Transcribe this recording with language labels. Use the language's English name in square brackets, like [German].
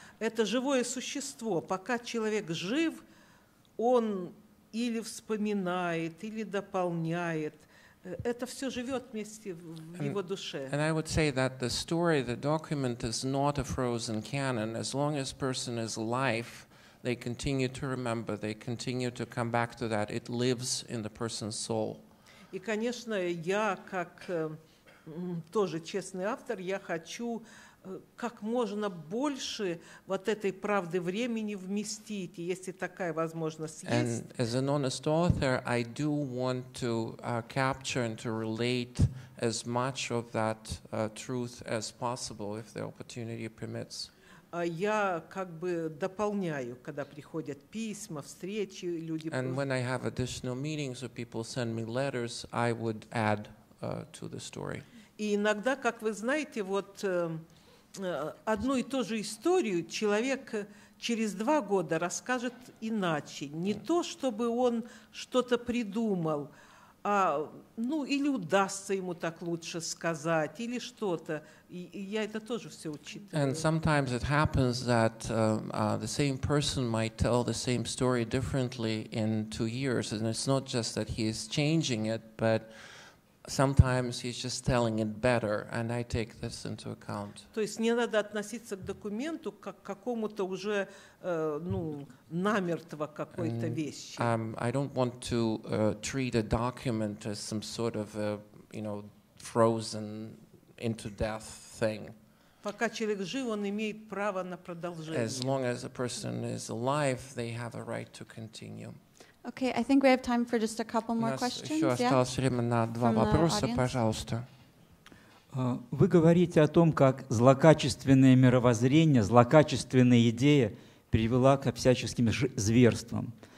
[Russian] Это живое существо. Пока человек жив, он или вспоминает, или дополняет. Это все живет вместе в его душе. [English] And I would say that the story, the document is not a frozen canon. As long as person is alive, they continue to remember, they continue to come back to that. It lives in the person's soul. [Russian] И, конечно, я как... тоже честный автор, я хочу как можно больше вот этой правды времени вместить, если такая возможность есть. [English] And as an honest author, I do want to capture and to relate as much of that truth as possible, if the opportunity permits. [Russian] Я как бы дополняю, когда приходят письма, встречи, люди... [English] And when I have additional meetings or people send me letters, I would add to the story. [Russian] И иногда, как вы знаете, вот одну и ту же историю человек через два года расскажет иначе. Не то, чтобы он что-то придумал, а, ну, или удастся ему так лучше сказать, или что-то. И я это тоже все учитываю. [English] And sometimes it happens that the same person might tell the same story differently in 2 years. And it's not just that he is changing it, but... Sometimes he's just telling it better, and I take this into account. [Russian] То есть не надо относиться к документу как к какому-то уже ну намертво какой-то вещи. [English] I don't want to treat a document as some sort of a, you know, frozen into death thing. [Russian] Пока человек жив, он имеет право на продолжение. [English] As long as a person is alive, they have a right to continue. Okay, I think we have time for just a couple more questions. [Russian] У нас еще осталось время на два вопроса, пожалуйста. Вы говорите о том, как злокачественное мировоззрение, злокачественная идея привела ко всяческим зверствам.